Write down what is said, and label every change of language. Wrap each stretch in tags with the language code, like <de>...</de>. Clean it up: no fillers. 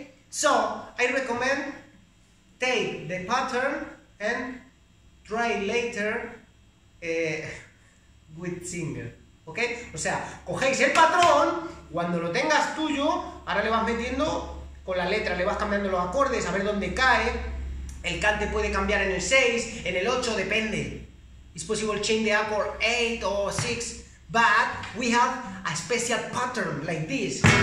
<en>So, I recommend take the pattern and try later. With singer, ¿ok?</en> <es>O sea, cogéis el patrón, cuando lo tengas tuyo, ahora le vas metiendo con la letra, le vas cambiando los acordes, a ver dónde cae. El cante puede cambiar en el 6, en el 8, depende.</es> <en>It's possible change the accord 8 or 6, but we have a special pattern like this.</en>